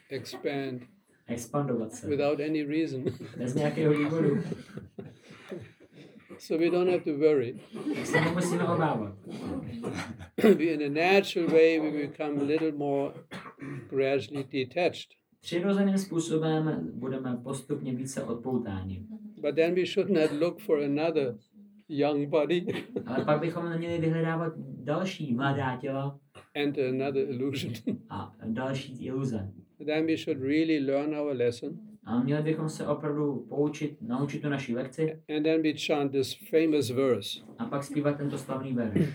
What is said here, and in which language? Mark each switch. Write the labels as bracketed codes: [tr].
[en] Expand. [cs] Expandovat se. [en] Without any reason. [cs] Bez nějakého důvodu. [en] So we don't have to worry. [cs] Tak se nemusíme obávat. [en] In a natural way we become a little more gradually detached. [cs] Přirozeným způsobem budeme postupně více odpoutáni. [en] But then we should not look for another young body. [cs] Ale pak bychom neměli vyhledávat další mladá těla. [en] And another illusion. [cs] A další iluze. [en] Then we should really learn our lesson. [cs] A měli bychom se opravdu poučit, naučit tu naši lekci. [en] And then we chant this famous verse. [cs] A pak zpívat tento slavný verš.